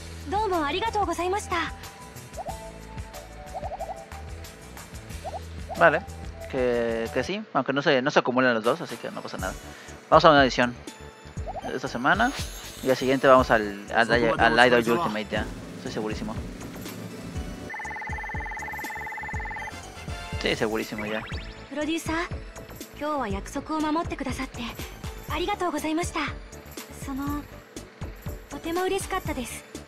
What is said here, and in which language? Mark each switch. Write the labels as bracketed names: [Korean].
[Japanese] どうもありがとうございました。 [Spanish] Vale, que sí, aunque no se acumulan los dos, así que no pasa nada. Vamos a una edición esta semana y la siguiente vamos al Idol Ultimate ya, estoy segurísimo. Sí, segurísimo ya. [Japanese] Producer, 今日は約束を守ってくださってありがとうございました。そのとても嬉しかったです。